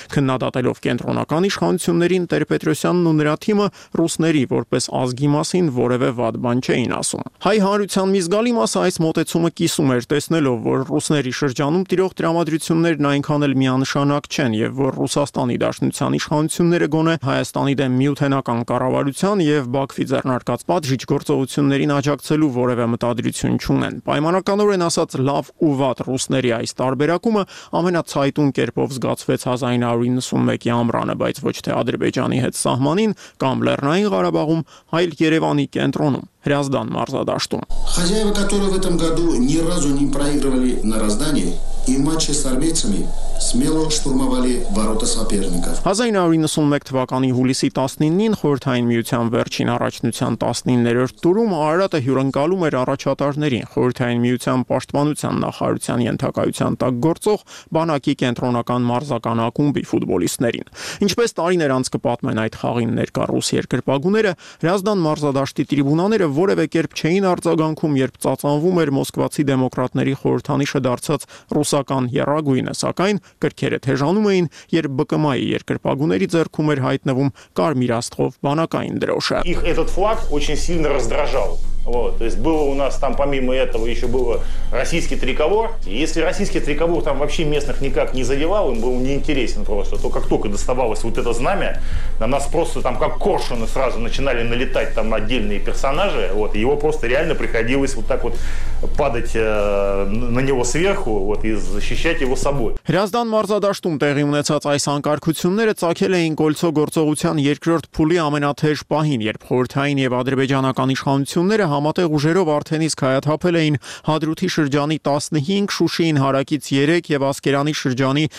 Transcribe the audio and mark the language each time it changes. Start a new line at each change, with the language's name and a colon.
Armenian: քննադատելով կենտրոնական իշխանություններին Տեր-Պետրոսյանն ու նրա թիմը ռուսների որպես ազգի մասին որևէ վատ բան չէին ասում։ Հայ հանրության մի զգալի մասը այս մոտեցումը կիսում էր, տեսնելով, որ ռուսների շրջանում տիրող դրամադրություններն այնքան էլ միանշանակ չեն և որ Ռուսաստանի Դաշնության իշխանությունները գոնե Հայաստանի դեմ միութենական կառավարության և Բաքվի ձեռնարկած պատժիչ գործողություններին աջակցելու որևէ մտադրություն չունեն։ Պայմանականորեն ասած, լավ ու վատ ռուսների այս տարբերակումը ամենացայտուն կերպով զգացվեց 1991-ի ամռանը, բայց ոչ թե Ադրբեջանի հետ սահմանին կամ Լեռնային Ղարաբաղում, այլ Երևանի կենտրոնում, Հրազդան մարզադաշտում։
Russian: Хозяева, которые в этом году ни разу не проигрывали на Раздане, и в матче с армейцами смело штурмовали ворота соперника.
Armenian: 1991 թվականի հուլիսի 19-ին խորհրդային միության վերջին առաջնության 19-րդ տուրում Արարատը հյուրընկալում էր առաջատարներին, խորհրդային միության պաշտպանության նախարարության ենթակայության տակ գործող բանակի կենտրոնական մարզական ակումբի ֆուտբոլիստերին։ Ինչպես տարիներ անց կպատմեն այդ խաղին ներկա ռուս երկրպագուները, Հրազդան մարզադաշտի տրիբունաները որևէ կերպ չէին արձագանքում, երբ ծածանվում էր մոսկվացի դեմոկրատների խորհրդանիշը դարձած ռուս ռուսական եռագույնը, սակայն կրքերը թեժանում էին, երբ ԲԿՄ-ի երկրպագուների ձեռքում էր հայտնվում կարմիր աստղով բանակային դրոշը։
Russian: Их этот флаг очень сильно раздражал. Вот, то есть было у нас там помимо этого ещё было российский триколор. Если российский триколор там вообще местных никак не задевал, им было неинтересно просто, то как только доставалось вот это знамя, на нас просто там как коршуны сразу начинали налетать там отдельные персонажи. Вот, его просто реально приходилось вот так вот падать на него сверху, вот, и защищать его собой.
Armenian: Հրազդան մարզադաշտում տեղի ունեցած այս անկարգությունները ցակել էին կոլցո գործողության երկրորդ փուլի ամենաթեժ պահին, երբ խորհրդային եւ ադրբեջանական իշխանությունները համատեղ ուժերով արդեն իսկ հայաթափել էին Հադրութի շրջանի 15, Շուշիին հարակից 3 եւ Ասկերանի շրջանի